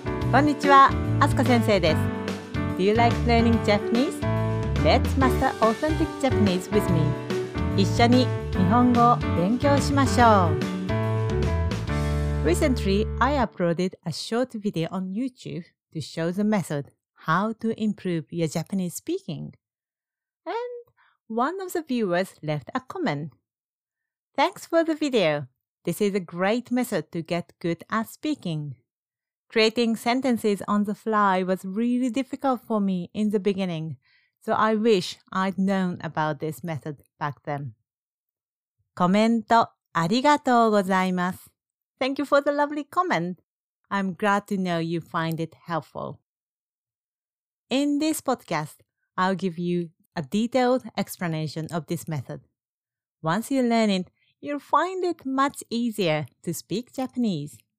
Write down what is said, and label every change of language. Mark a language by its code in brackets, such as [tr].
[ja] こんにちは、あすか先生です。 [en] Do you like learning Japanese? Let's master authentic Japanese with me. [ja] 一緒に日本語を勉強しましょう。 [en] Recently, I uploaded a short video on YouTube to show the method how to improve your Japanese speaking. And one of the viewers left a comment. Thanks for the video. This is a great method to get good at speaking. Creating sentences on the fly was really difficult for me in the beginning, so I wish I'd known about this method back then. [ja] コメントありがとうございます。 [en] Thank you for the lovely comment. I'm glad to know you find it helpful. In this podcast, I'll give you a detailed explanation of this method. Once you learn it, you'll find it much easier to speak Japanese.